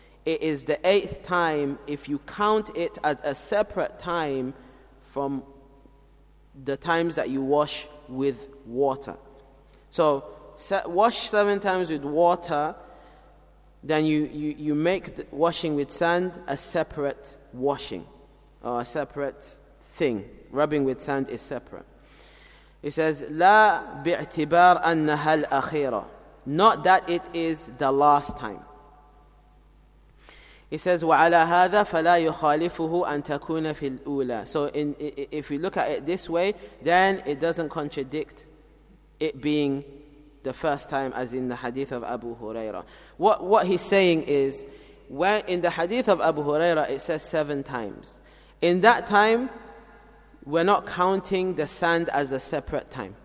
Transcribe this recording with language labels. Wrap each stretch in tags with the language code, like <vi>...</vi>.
<en>It is the eighth time if you count it as a separate time from the times that you wash with water. So wash seven times with water, then you make the washing with sand a separate washing, or a separate thing. Rubbing with sand is separate. It says,</en> <ar>لا باعتبار أنها الأخيرة.</ar> <en>Not that it is the last time. He says,</en> <ar>وَعَلَى هَذَا فَلَا يُخَالِفُهُ أَن تَكُونَ فِي الْأُولَى.</ar> <en>So if you look at it this way, then it doesn't contradict it being the first time, as in the hadith of Abu Huraira. What he's saying is, when in the hadith of Abu Huraira, it says seven times. In that time, we're not counting the sand as a separate time.</en>